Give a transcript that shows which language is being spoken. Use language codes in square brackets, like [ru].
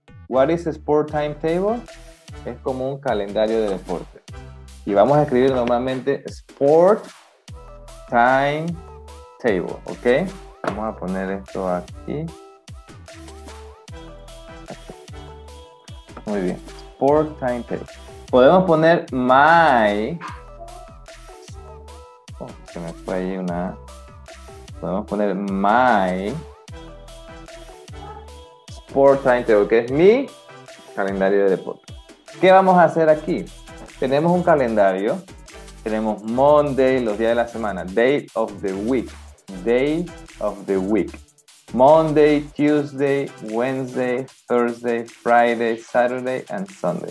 [en] What is sport timetable? [es] Es como un calendario de deporte. Y vamos a escribir normalmente sport timetable. Ok. Vamos a poner esto aquí. Muy bien. Sport timetable. Podemos poner my. Oh, se me fue ahí una. Podemos poner [en] my sport timetable, [es] que es mi calendario de deporte. ¿Qué vamos a hacer aquí? Tenemos un calendario. Tenemos Monday, los días de la semana. [en] Date of the week. Day of the week. Monday, Tuesday, Wednesday, Thursday, Friday, Saturday and Sunday.